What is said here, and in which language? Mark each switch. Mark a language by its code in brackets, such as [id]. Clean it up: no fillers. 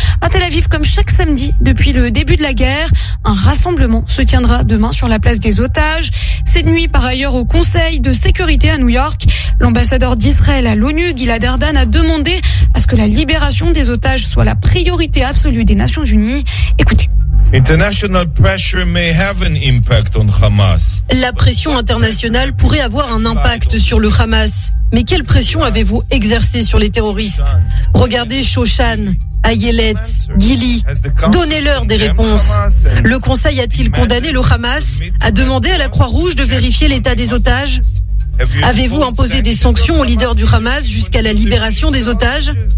[fr] À Tel Aviv, comme chaque samedi depuis le début de la guerre, un rassemblement se tiendra demain sur la place des otages. Cette nuit, par ailleurs, au Conseil de sécurité à New York, l'ambassadeur d'Israël à l'ONU, Gilad Erdan, a demandé à ce que la libération des otages soit la priorité absolue des Nations Unies. Écoutez. [en] International pressure may have an impact on Hamas. [fr] La pression internationale pourrait avoir un impact sur le Hamas. Mais quelle pression avez-vous exercée sur les terroristes? Regardez Shoshan, Ayelet, Gili. Donnez-leur des réponses. Le Conseil a-t-il condamné le Hamas? A demandé à la Croix-Rouge de vérifier l'état des otages? Avez-vous imposé des sanctions aux leaders du Hamas jusqu'à la libération des otages?